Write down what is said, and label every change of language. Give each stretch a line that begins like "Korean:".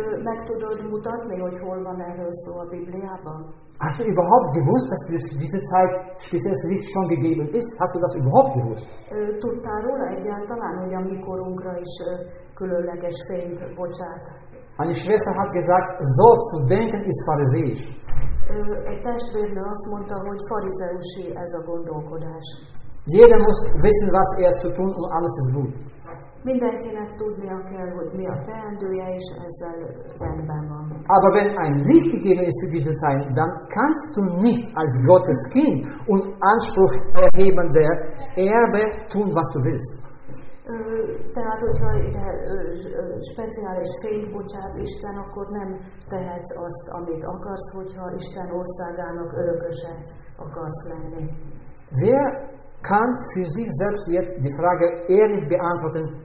Hungarian: Meg tudod mutatni, hogy hol van erről szó a Bibliában?
German: Hast du überhaupt gewusst, dass es diese Zeit spezielles Licht schon gegeben ist? Hast du das überhaupt gewusst?
Hungarian: Tudtál róla egyáltalán, hogy a mi korunkra is különleges fényt bocsát?
German: Eine Schwester hat gesagt, so zu denken ist pharisäisch.
Hungarian: Egy testvérnő azt mondta, hogy farizeusi ez a gondolkodás.
German: Jeder muss wissen, was zu tun und alles ist gut.
Hungarian: Mindenkinek tudnia kell, hogy mi a teendője, és ezzel rendben van.
German: Aber wenn ein Licht gegeben ist für diese Zeit, dann kannst du nicht als Gottes Kind und Anspruch erheben der Erbe tun, was du willst.
Hungarian: Tehát, hogyha ide speciális fényt bocsát Isten, akkor nem tehetsz azt, amit akarsz, hogyha Isten országának örököse akarsz lenni.
German: Wer kann für sich selbst jetzt die Frage ehrlich beantworten?